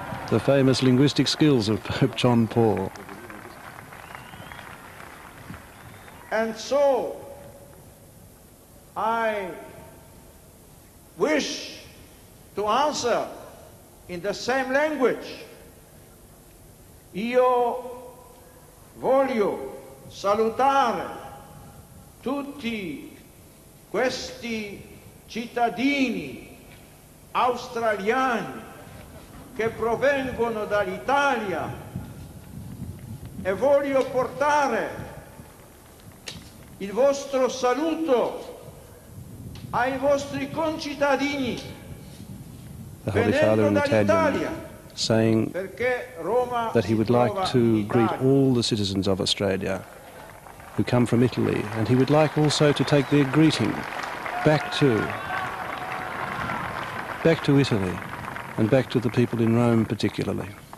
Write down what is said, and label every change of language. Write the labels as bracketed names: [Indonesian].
[English] The famous linguistic skills of Pope John Paul. And so I wish to answer in the same language. [Italian] Io voglio salutare tutti questi cittadini australiani che provengono dall'Italia e voglio portare il vostro saluto ai vostri concittadini venendo dall'Italia. [English] Saying that he would like to greet all the citizens of Australia who come from Italy, and he would like also to take their greeting back to Italy and back to the people in Rome particularly.